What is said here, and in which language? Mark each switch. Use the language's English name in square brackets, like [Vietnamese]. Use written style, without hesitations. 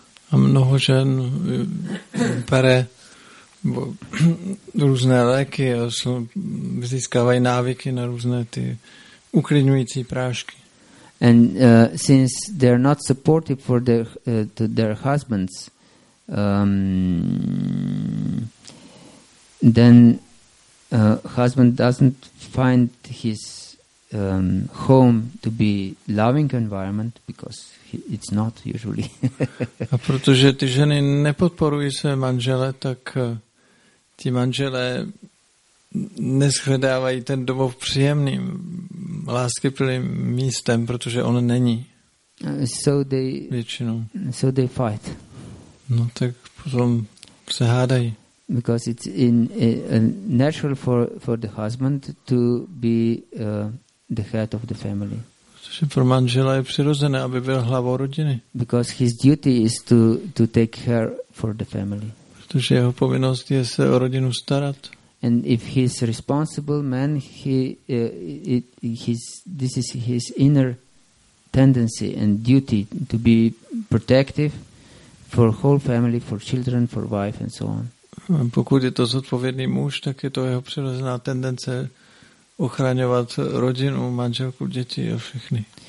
[Czech] A mnoho žen bere různé léky a získávají návyky na různé ty uklidňující prášky. [English] And since they're not supportive for their to their husbands, then husband doesn't find his home to be loving environment because it's not usually. [Czech] A protože ty ženy nepodporují své manžele, tak ti manžele neshledávají ten domov příjemným, láskyplným místem, protože on není. [English] So they fight. [Czech] No tak potom se hádají. [English] Because it's in natural for the husband to be the head of the family. [Czech] Protože pro manžela je přirozené, aby byl hlavou rodiny. [English] Because his duty is to take care for the family. [Czech] Protože jeho povinnost je se o rodinu starat. [English] And if he's a responsible man, this is his inner tendency and duty to be protective for whole family, for children, for wife and so on. [Czech] Pokud je to zodpovědný muž, tak je to jeho přirozená tendence ochraňovat rodinu, manželku, děti a všechny.